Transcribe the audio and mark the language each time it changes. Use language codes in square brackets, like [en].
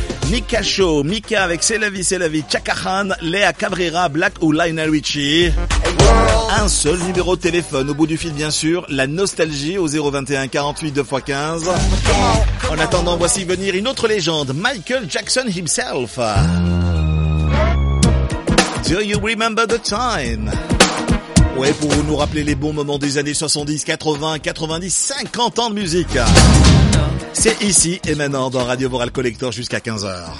[fr] Mika Show, Mika avec c'est la vie, Chaka Khan, Léa Cabrera, Black ou Lionel Richie. Un seul numéro de téléphone au bout du fil, bien sûr, la nostalgie au 021 48 2x15. En attendant, voici venir une autre légende, Michael Jackson himself. [en] Do you remember the time? [fr] Ouais, pour nous rappeler les bons moments des années 70, 80, 90, 50 ans de musique. C'est ici et maintenant dans Radio Borel Collector jusqu'à 15h.